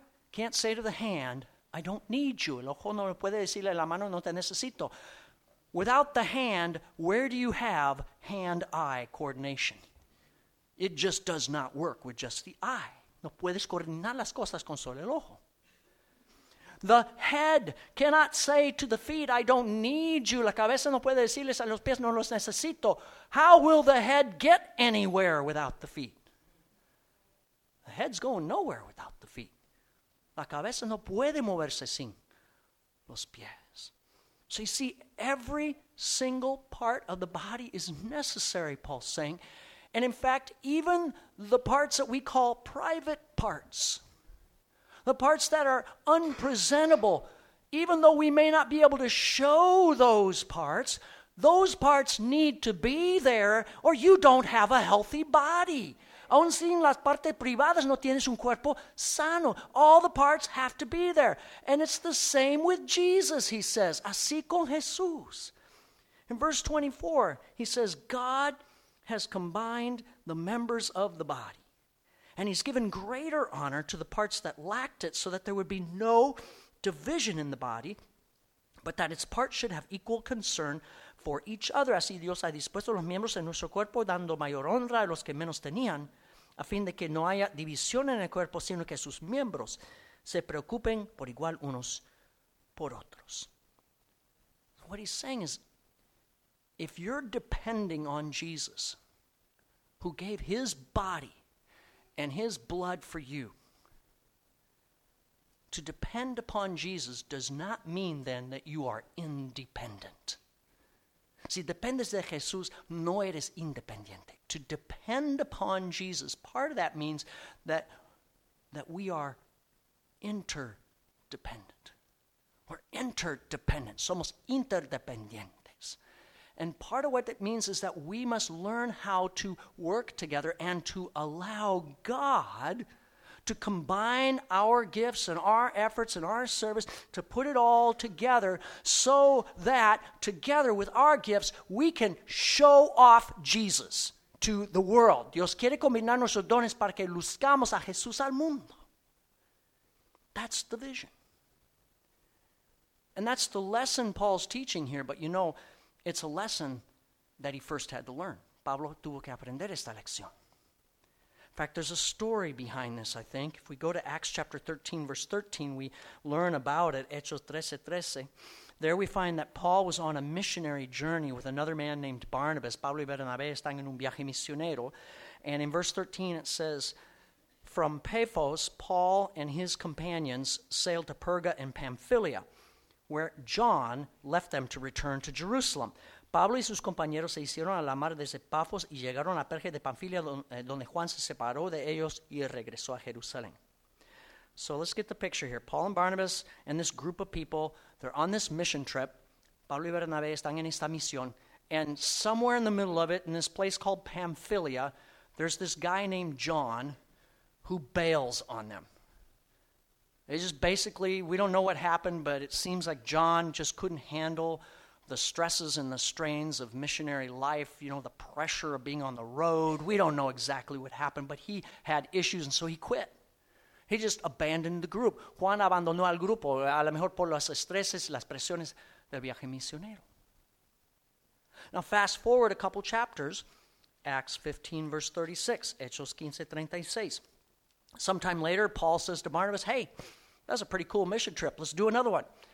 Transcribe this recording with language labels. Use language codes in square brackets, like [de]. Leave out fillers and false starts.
[en] Can't say to the hand, I don't need you. [es] El ojo no puede decirle a la mano, no te necesito. [en] Without the hand, where do you have hand-eye coordination? It just does not work with just the eye. [es] No puedes coordinar las cosas con solo el ojo. [en] The head cannot say to the feet, I don't need you. [es] La cabeza no puede decirles a los pies, no los necesito. [en] How will the head get anywhere without the feet? The head's going nowhere without the feet. [es] La cabeza no puede moverse sin los pies. [en] So you see, every single part of the body is necessary, Paul's saying. And in fact, even the parts that we call private parts, the parts that are unpresentable, even though we may not be able to show those parts need to be there or you don't have a healthy body. [es] Aun sin las partes privadas, no tienes un cuerpo sano. [en] All the parts have to be there. And it's the same with Jesus, he says. [es] Así con Jesús. [en] In verse 24, he says, God has combined the members of the body. And he's given greater honor to the parts that lacked it so that there would be no division in the body, but that its parts should have equal concern for each other. [es] Así Dios ha dispuesto los miembros en nuestro cuerpo, dando mayor honra a los que menos tenían, a fin de que no haya división en el cuerpo, sino que sus miembros se preocupen por igual unos por otros. [en] What he's saying is, if you're depending on Jesus, who gave his body and his blood for you, to depend upon Jesus does not mean then that you are independent. [es] Si dependes de Jesús, no eres independiente. [en] To depend upon Jesus, part of that means that we are interdependent. We're interdependent. [es] Somos interdependientes. [en] And part of what that means is that we must learn how to work together and to allow God to combine our gifts and our efforts and our service, to put it all together so that together with our gifts, we can show off Jesus to the world. [es] Dios quiere combinar nuestros dones para que luzcamos a Jesús al mundo. [en] That's the vision. And that's the lesson Paul's teaching here, but you know, it's a lesson that he first had to learn. [es] Pablo tuvo que aprender esta lección. [en] In fact, there's a story behind this, I think. If we go to Acts chapter 13, verse 13, we learn about it, Hechos 13, 13. There we find that Paul was on a missionary journey with another man named Barnabas. [es] Pablo y Bernabé están en un viaje misionero. [en] And in verse 13 it says, from Paphos, Paul and his companions sailed to Perga and Pamphylia, where John left them to return to Jerusalem. [es] Pablo y sus compañeros se hicieron a la mar desde Paphos y llegaron a Perga de Pamphylia, donde Juan se separó de ellos y regresó a Jerusalén. [en] So let's get the picture here. Paul and Barnabas and this group of people, they're on this mission trip. [es] Pablo y Bernabé están en esta misión. [en] And somewhere in the middle of it, in this place called Pamphylia, there's this guy named John who bails on them. They just basically, we don't know what happened, but it seems like John just couldn't handle the stresses and the strains of missionary life, you know, the pressure of being on the road. We don't know exactly what happened, but he had issues, and so he quit. He just abandoned the group. [es] Juan abandonó al grupo, a lo mejor por los estreses y las presiones del viaje misionero. [en] Now, fast forward a couple chapters, Acts 15, verse 36, Hechos 15, 36. Sometime later, Paul says to Barnabas, hey, that's a pretty cool mission trip. Let's do another one.